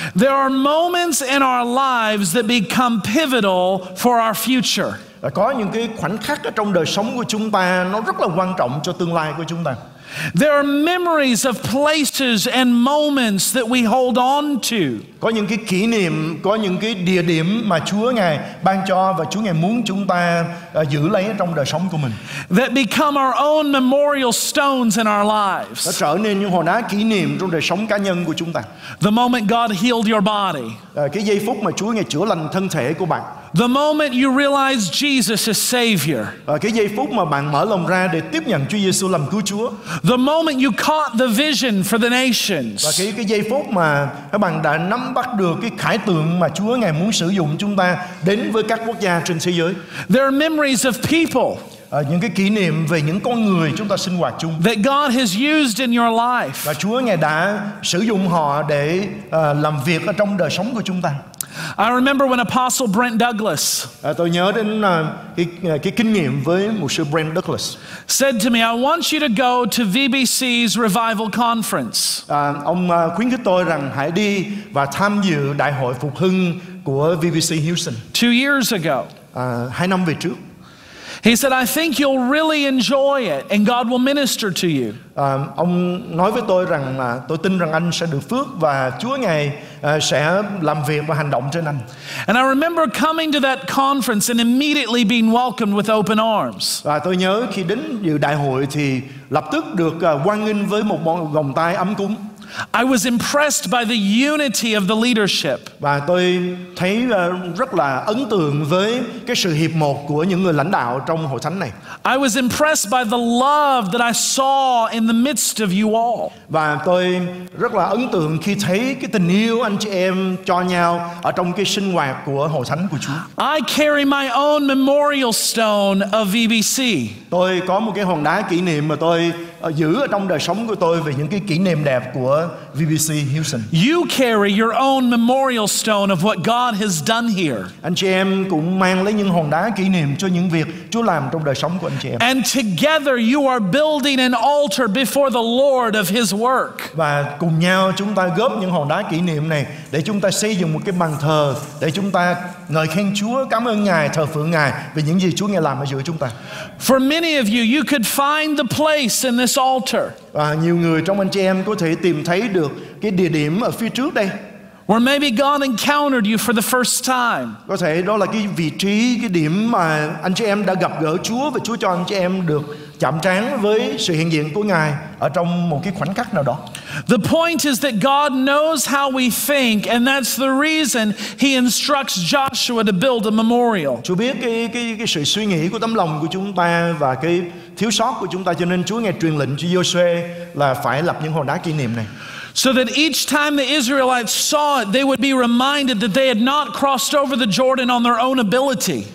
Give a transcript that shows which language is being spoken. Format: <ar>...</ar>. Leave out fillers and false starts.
<en>There are moments in our lives that become pivotal for our future.</en> <vi>Và có những cái khoảnh khắc ở trong đời sống của chúng ta nó rất là quan trọng cho tương lai của chúng ta.</vi> <en>There are memories of places and moments that we hold on to.</en> <vi>Có những cái kỷ niệm, có những cái địa điểm mà Chúa ngài ban cho và Chúa ngài muốn chúng ta giữ lấy trong đời sống của mình.</vi> <en>That become our own memorial stones in our lives.</en> <vi>Nó trở nên những hòn đá kỷ niệm trong đời sống cá nhân của chúng ta.</vi> <en>The moment God healed your body.</en> <vi>Cái giây phút mà Chúa ngài chữa lành thân thể của bạn.</vi> <en>The moment you realize Jesus is Savior.</en> <vi>Cái giây phút mà bạn mở lòng ra để tiếp nhận Chúa Giêsu làm cứu Chúa.</vi> <en>The moment you caught the vision for the nations.</en> <vi>Và cái giây phút mà các bạn đã nắm bắt được cái khải tượng mà Chúa ngài muốn sử dụng chúng ta đến với các quốc gia trên thế giới.</vi> <en>There are memories of people.</en> <vi>Những cái kỷ niệm về những con người chúng ta sinh hoạt chung.</vi> <en>That God has used in your life.</en> <vi>Và Chúa ngài đã sử dụng họ để làm việc ở trong đời sống của chúng ta.</vi> <en>I remember when Apostle Brent Douglas.</en> <vi>Tôi nhớ đến cái kinh nghiệm với mục sư Brent Douglas.</vi> <en>Said to me, "I want you to go to VBC's revival conference."</en> <vi>Ông khuyến khích tôi rằng hãy đi và tham dự đại hội phục hưng của VBC Houston.</vi> <en>2 years ago.</en> <vi>2 năm về trước.</vi> <en>He said, I think you'll really enjoy it and God will minister to you.</en> <vi>Ông nói với tôi rằng mà tôi tin rằng anh sẽ được phước và Chúa Ngài sẽ làm việc và hành động trên anh.</vi> <en>And I remember coming to that conference and immediately being welcomed with open arms.</en> <vi>Và tôi nhớ khi đến dự đại hội thì lập tức được hoan nghênh với một vòng tay ấm cúng.</vi> <en>I was impressed by the unity of the leadership.</en> <vi>Và tôi thấy rất là ấn tượng với cái sự hiệp một của những người lãnh đạo trong hội thánh này.</vi> <en>I was impressed by the love that I saw in the midst of you all.</en> <vi>Và tôi rất là ấn tượng khi thấy cái tình yêu anh chị em cho nhau ở trong cái sinh hoạt của hội thánh của Chúa.</vi> <en>I carry my own memorial stone of VBC.</en> <vi>Tôi có một cái hòn đá kỷ niệm mà tôi giữ ở trong đời sống của tôi về những cái kỷ niệm đẹp của VBC Houston.</vi> <en>You carry your own memorial stone of what God has done here.</en> <vi>Anh chị em cũng mang lấy những hòn đá kỷ niệm cho những việc Chúa làm trong đời sống của anh chị em.</vi> <en>And together you are building an altar before the Lord of His work.</en> <vi>Và cùng nhau chúng ta góp những hòn đá kỷ niệm này để chúng ta xây dựng một cái bàn thờ để chúng ta ngợi khen Chúa, cảm ơn Ngài, thờ phượng Ngài vì những gì Chúa Ngài làm ở giữa chúng ta.</vi> <en>For many of you, you could find the place in this altar.</en> <vi>Và nhiều người trong anh chị em có thể tìm thấy được cái địa điểm ở phía trước đây.</vi> <en>Where maybe God encountered you for the first time.</en> <vi>Có thể đó là cái vị trí, cái điểm mà anh chị em đã gặp gỡ Chúa và Chúa cho anh chị em được chạm trán với sự hiện diện của Ngài ở trong một cái khoảnh khắc nào đó.</vi> <en>The point is that God knows how we think and that's the reason he instructs Joshua to build a memorial.</en> <vi>Chúa biết cái sự suy nghĩ của tấm lòng của chúng ta và cái thiếu sót của chúng ta cho nên Chúa Ngài truyền lệnh cho Joshua là phải lập những hòn đá kỷ niệm này.</vi> <en>So that each time the Israelites saw it, they would be reminded that they had not crossed over the Jordan on their own ability.</en>